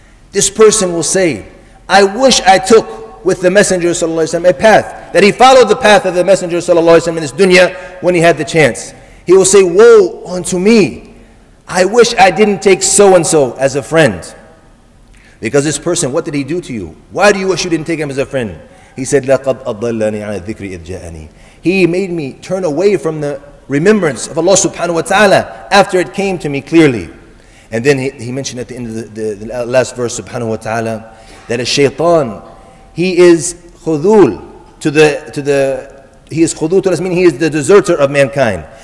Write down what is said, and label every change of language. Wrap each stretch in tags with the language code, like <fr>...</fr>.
<en>This person will say, I wish I took with the Messenger sallallahu alayhi wa sallam a path, that he followed the path of the Messenger sallallahu alayhi wa sallam in this dunya when he had the chance. He will say, woe unto me, I wish I didn't take so and so as a friend. Because this person, what did he do to you? Why do you wish you didn't take him as a friend?</en> <ar>He said, لَقَدْ أَضَلَّنِي عَنَ الذِّكْرِ إِذْ جَاءَنِي.</ar> <en>He made me turn away from the remembrance of Allah subhanahu wa ta'ala after it came to me clearly. And then he mentioned at the end of the last verse, subhanahu wa ta'ala, that a shaytan, he is khudul to us, meaning he is the deserter of mankind.</en>